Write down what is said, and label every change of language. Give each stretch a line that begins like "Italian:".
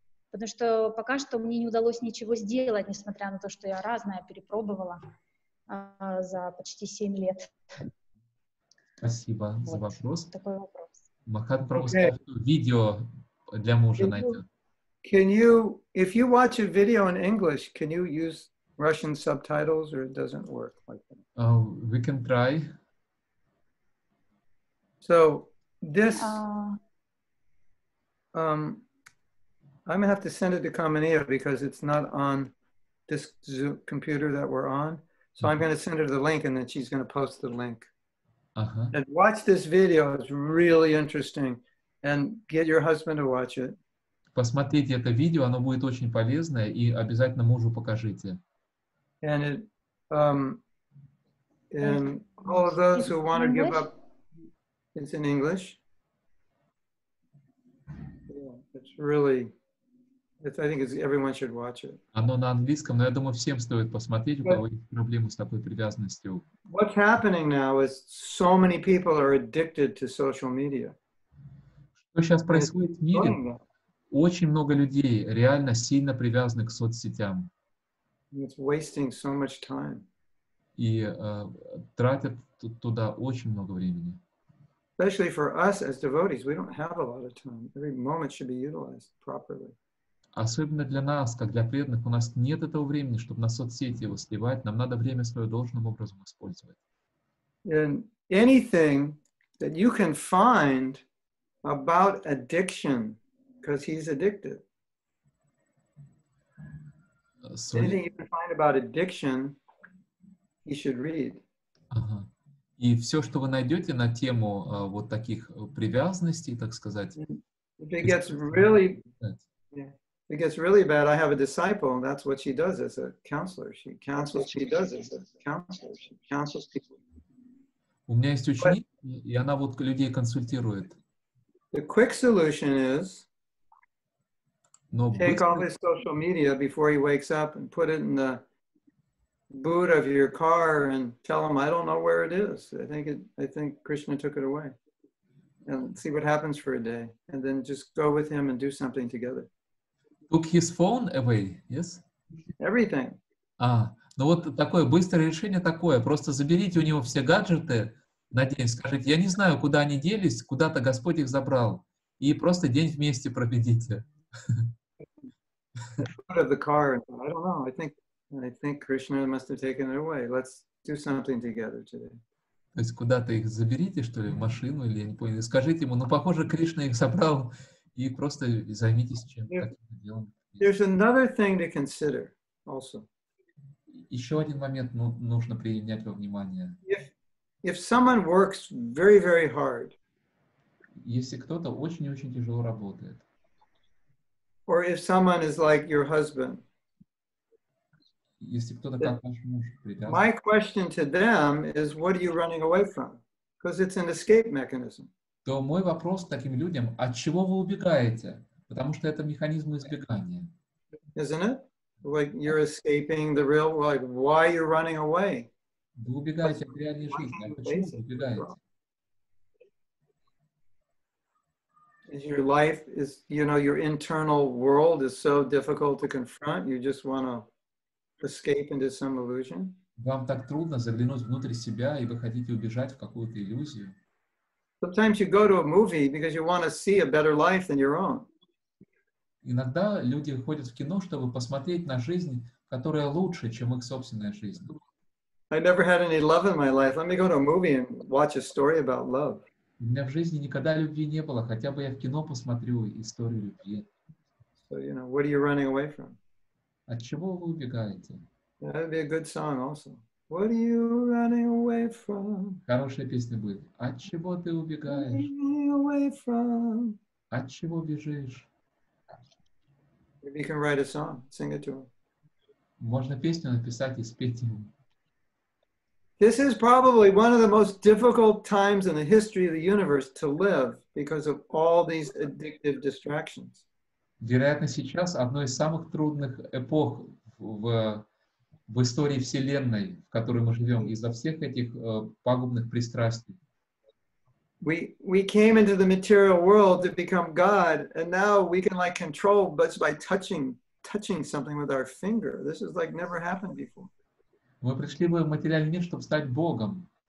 Russian: Потому что пока что мне не удалось ничего сделать, несмотря на то, что я разное перепробовала за почти 7 лет. Спасибо за вопрос. Такой вопрос. Махат просто видео для мужа найдет.
English: Can you, if you watch a video in English, can you use Russian subtitles, or it doesn't work like that? We can try. So this, I'm gonna have to send it to Kamaniya because it's not on this Zoom computer that we're on. So I'm gonna send her the link, and then she's gonna post the link. Uh-huh. And watch this video; it's really interesting. And get your husband to watch it.
Russian: Посмотрите это видео, оно будет очень полезное, и обязательно мужу покажите.
English: And it, and all of those who want to give up, it's in English. Yeah, it's really, I think it's, everyone should watch it.
Russian: Оно на английском, но я думаю, всем стоит посмотреть, у кого есть проблемы с такой привязанностью.
English: What's happening now is so many people are addicted to social media.
Russian: Что сейчас происходит в мире? Очень много людей реально сильно привязаны к соцсетям.
English: It's wasting so much time.
Russian: И тратят туда очень много времени.
English: Especially for us as devotees, we don't have a lot of time. Every moment should be utilized properly.
Russian: Особенно для нас, как для преданных, у нас нет этого времени, чтобы на соцсети его сливать. Нам надо время свое должным образом использовать.
English: And anything that you can find about addiction, because he's addicted. Anything you can find about addiction, you should read.
Russian: Ага. И все, что вы найдете на тему вот таких привязанностей, так сказать.
English: If it gets really, yeah, it gets really bad, I have a disciple, and that's what she does as a counselor. She counsels, she does as a counselor. She counsels people.
Russian: У меня есть ученик, и она вот людей консультирует.
English: The quick solution is take all this social media before he wakes up and put it in the boot of your car and tell him, I don't know where it is. I think Krishna took it away. And see what happens for a day. And then just go with him and do something together. Took his phone away, yes? Everything.
Russian: Ну вот такое быстрое решение такое. Просто заберите у него все гаджеты на день, скажите, я не знаю, куда они делись, куда-то Господь их забрал. И просто день вместе проведите.
English: Out of the car, I don't know. I think Krishna must have taken it away. Let's do something together today.
Russian: То есть куда-то их заберите, что ли, в машину, или я не понял, и скажите ему, ну, похоже, Кришна их забрал, и просто займитесь чем-то делом.
English: There's another thing to consider also.
Russian: Еще один момент нужно принять во внимание.
English: If someone works very, very hard,
Russian: если кто-то очень-очень тяжело работает,
English: or if someone is like your husband,
Russian: если кто-то как ваш муж, привязан.
English: My question to them is, what are you running away from? Because it's an escape mechanism.
Russian: То мой вопрос к таким людям, от чего вы убегаете? Потому что это механизм избегания.
English: Isn't it? Like you're escaping the real world. Like, why are you running away?
Russian: Вы убегаете от реальной жизни. А почему вы убегаете?
English: Your life is, you know, your internal world is so difficult to confront. You just want to escape into some illusion.
Russian: Вам так трудно заглянуть внутрь себя, и вы хотите убежать в какую-то иллюзию.
English: Sometimes you go to a movie because you want to see a better life than your own.
Russian: Иногда люди ходят в кино, чтобы посмотреть на жизнь, которая лучше, чем их собственная жизнь.
English: I never had any love in my life. Let me go to a movie and watch a story about love.
Russian: У меня в жизни никогда любви не было. Хотя бы я в кино посмотрю историю любви.
English: So, you know, what are you running away from?
Russian: От чего вы убегаете?
English: That would be a good song also. What are you running away from?
Russian: Хорошая песня будет. От чего ты убегаешь?
English: What are you running away from?
Russian: От чего бежишь?
English: Maybe you can write a song. Sing it to him.
Russian: Можно песню написать и спеть ему.
English: This is probably one of the most difficult times in the history of the universe to live because of all these addictive distractions.
Russian: Вероятно, сейчас одно из самых трудных эпох в истории Вселенной, в которой мы живем, из-за всех этих пагубных пристрастий.
English: We came into the material world to become God, and now we can like control just by touching something with our finger. This is like never happened before.
Russian: Мы пришли в материальный мир, чтобы стать Богом.